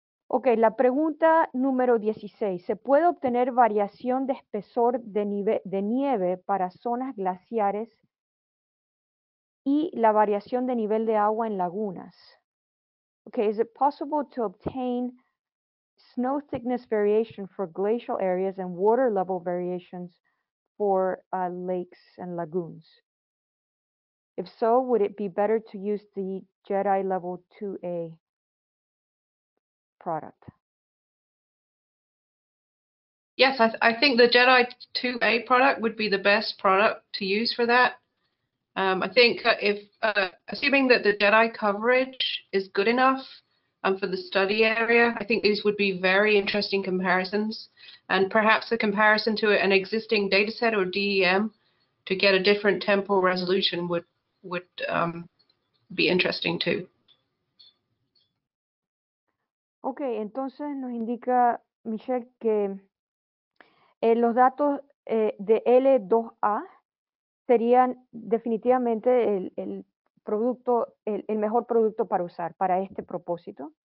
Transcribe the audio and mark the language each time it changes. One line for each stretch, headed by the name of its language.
Spanish: Okay, la pregunta número 16. ¿Se puede obtener variación de espesor de nieve para zonas glaciares y la variación de nivel de agua en lagunas?
English: Okay, is it possible to obtain snow thickness variation for glacial areas and water level variations for lakes and lagoons? If so, would it be better to use the Jedi Level 2A? Product. Yes, I think the Jedi 2A product would be the best product to use for that. I think if assuming that the Jedi coverage is good enough for the study area, I think these would be very interesting comparisons, and perhaps a comparison to an existing data set or DEM to get a different temporal resolution would be interesting too.
Spanish: Ok, entonces nos indica Michelle que los datos de L2A serían definitivamente el mejor producto para usar para este propósito.